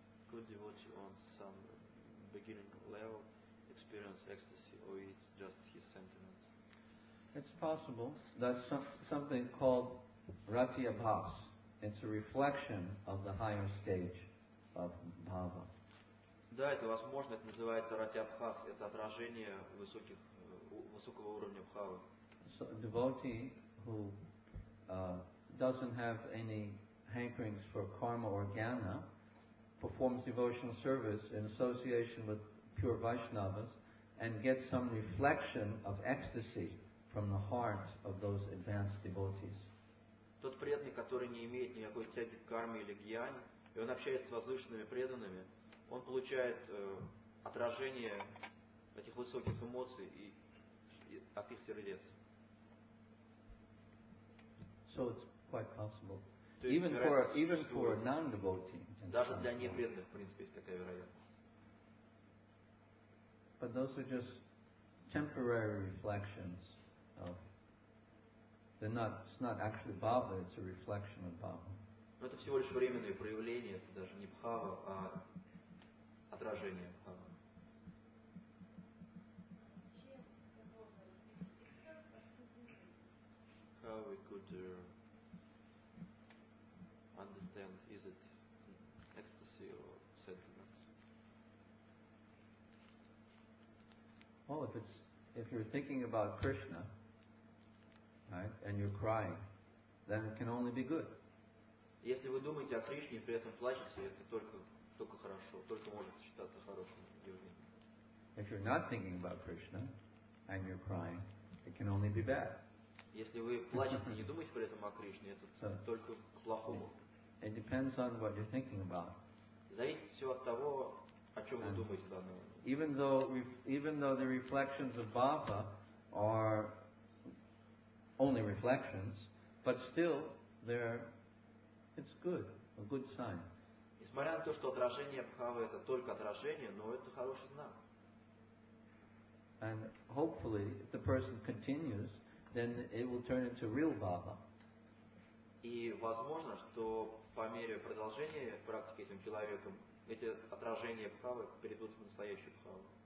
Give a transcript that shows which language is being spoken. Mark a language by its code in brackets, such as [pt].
[en] Could devotee on some beginning level experience ecstasy, or it's just his sentiments? It's possible. That's something called Rati Abhas. It's a reflection of the higher stage of bhava. [ru] Да, это возможно. Это называется рати абхас. Это отражение высоких, высокого уровня бхавы. [en] So a devotee who doesn't have any hankerings for karma or jnana performs devotional service in association with pure Vaishnavas and gets some reflection of ecstasy from the heart of those advanced devotees. [ru] Тот преданный, который не имеет никакой тяги к карме или гьяне, и он общается с возвышенными преданными, он получает отражение этих высоких эмоций и от их сердец. [en] So it's quite possible. Even for non-devotee. [ru] Даже для непреданных, в принципе, есть такая вероятность. [en] But those are just temporary reflections of. It's not actually bhava, it's a reflection of bhava. [ru] Но это всего лишь временное проявление, это даже не бхава, а отражение бхава. [en] How we could understand, is it ecstasy or sentiments? Well, if you're thinking about Krishna, right? And you're crying, then it can only be good. [ru] Если вы думаете о Кришне и при этом плачете, это только хорошо, только может считаться хорошим явлением. [en] If you're not thinking about Krishna and you're crying, it can only be bad. [ru] Если вы плачете и не думаете при этом о Кришне, это только к плохому. [en] It depends on what you're thinking about. [ru] Зависит все от того, о чем вы думаете данный момент. [en] Even though the reflections of Bhava are only reflections, but still, it's good, a good sign. [ru] Несмотря на то, что отражение бхавы это только отражение, но это хороший знак. [en] And hopefully, if the person continues, then it will turn into real bhava. [ru] И возможно, что по мере продолжения практики этим человеком эти отражения бхавы перейдут в настоящую бхаву.